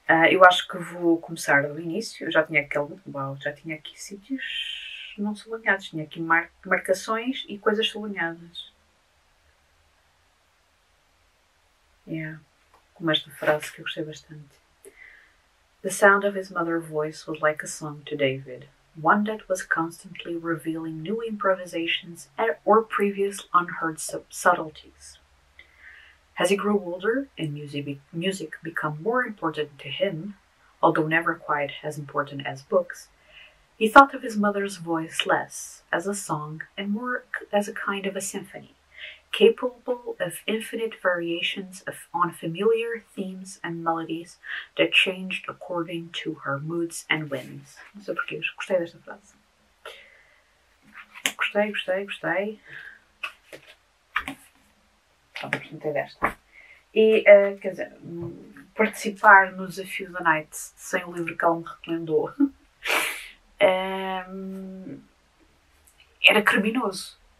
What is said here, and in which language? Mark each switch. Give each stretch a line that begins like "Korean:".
Portuguese: Eu acho que vou começar do início. Eu já tinha aquele. Uau, já tinha aqui sítios não sublinhados. Tinha aqui marcações e coisas sublinhadas. Com esta frase que eu gostei bastante.
English: The sound of his mother's voice was like a song to David. One that was constantly revealing new improvisations or previous unheard subtleties. As he grew older and music become more important to him, although never quite as important as books, he thought of his mother's voice less as a song and more as a kind of a symphony, capable of infinite variations on familiar themes and melodies that changed according to her moods and whims.
Portuguese: Não sei porquê, gostei desta frase. Gostei. Pronto, gostei desta. E, quer dizer, participar no Desafio da Night sem o livro que ela me recomendou era criminoso.